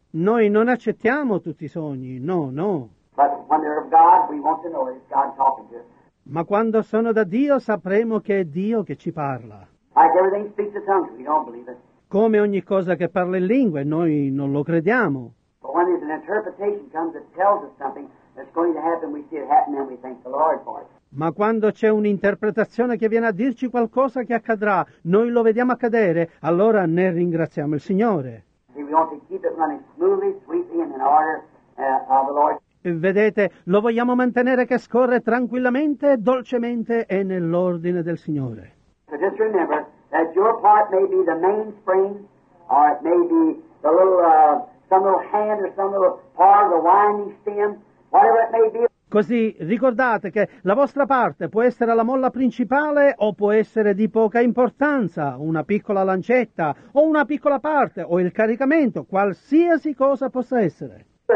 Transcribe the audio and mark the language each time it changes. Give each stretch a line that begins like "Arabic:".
Italian: Noi non accettiamo tutti i sogni, no, no.
English: But when they're of God, we want to know it's God talking to us.
Italian: Ma quando sono da Dio sapremo che è Dio che ci parla.
English: Like everything speaks in tongues, we don't believe it.
Italian: Come ogni cosa che parla in lingue, noi non lo crediamo.
English: But when there's an interpretation comes that tells us something that's going to happen, we see it happen and we thank the Lord for it.
Italian: Ma quando c'è un'interpretazione che viene a dirci qualcosa che accadrà, noi lo vediamo accadere, allora ne ringraziamo il Signore.
English: See, we want to keep it running smoothly, sweetly, and in order of the Lord.
Italian: Vedete, lo vogliamo mantenere che scorre tranquillamente, dolcemente e nell'ordine del Signore.
English: So just remember that your part may be the main spring, or it may be the little, some little hand or some little part of the winding stem, whatever it may be.
Italian: Così ricordate che la vostra parte può essere la molla principale o può essere di poca importanza, una piccola lancetta o una piccola parte o il caricamento, qualsiasi cosa possa essere.